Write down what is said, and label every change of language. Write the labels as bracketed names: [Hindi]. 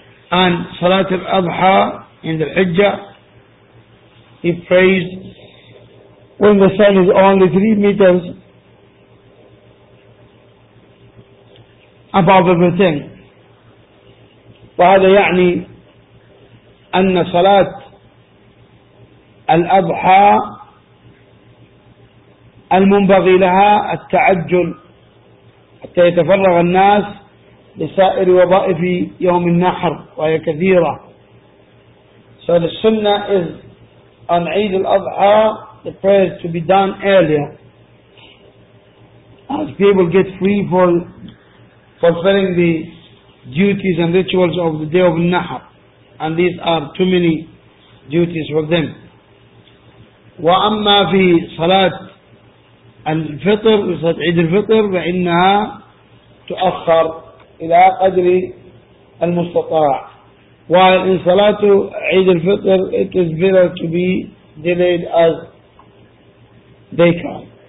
[English] And Salat al-Adha in the Hijjah, he prays when the sun is only 3 meters above everything. [Arabic] وهذا يعني أن صلاة الأضحى المنبغي لها التعجل حتى يتفرغ الناس لسائر وظائف يوم النحر وهي كثيرة. [English] So the sunnah is on عيد الأضحى the prayers to be done earlier as people get free for fulfilling the duties and rituals of the day of النحر and these are too many duties for them. [Arabic] وأما في صلاة الفطر صلاة عيد الفطر فإنها تؤخر إلى قدر المستطاع. [English] While in صلاة عيد الفطر it is better to be delayed as they can.